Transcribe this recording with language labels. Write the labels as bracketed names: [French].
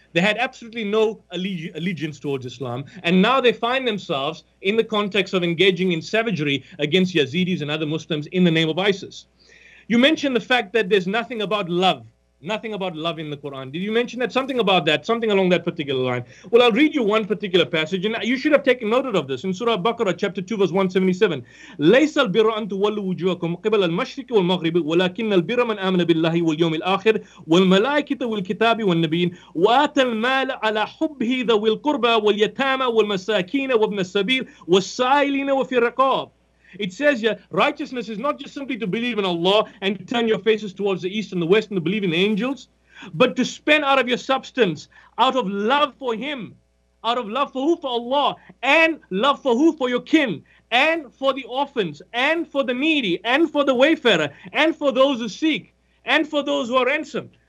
[English] They had absolutely no allegiance towards Islam, and now they find themselves in the context of engaging in savagery against Yazidis and other Muslims in the name of ISIS. You mentioned the fact that there's nothing about love, nothing about love in the Quran. Did you mention that? Something about that, something along that particular line. Well, I'll read you one particular passage, and you should have taken note of this. In Surah Baqarah, chapter 2, verse 177, [Arabic] لَيْسَ الْبِرَ أَن تُوَلُّ وُجُوَكُمْ قِبَلَ الْمَشْرِكِ وَالْمَغْرِبِ وَلَكِنَّ الْبِرَ مَنْ آمَنَ بِاللَّهِ وَالْيَوْمِ الْآخِرِ وَالْمَلَائِكَةِ وَالْكِتَابِ وَالنَّبِيِّينَ وَآتَى الْمَالَ عَلَى حُبِّهِ ذَوِي الْقُرْبَى وَالْيَتَامَى وَالْمَسَاكِينَ وَابْنَ السَّبِيلِ وَالسَّائِلِينَ وَفِي الرِّقَابِ. [English] It says here, righteousness is not just simply to believe in Allah and turn your faces towards the east and the west and to believe in the angels, but to spend out of your substance, out of love for Him, out of love for who? For Allah, and love for who? For your kin, and for the orphans, and for the needy, and for the wayfarer, and for those who seek, and for those who are ransomed.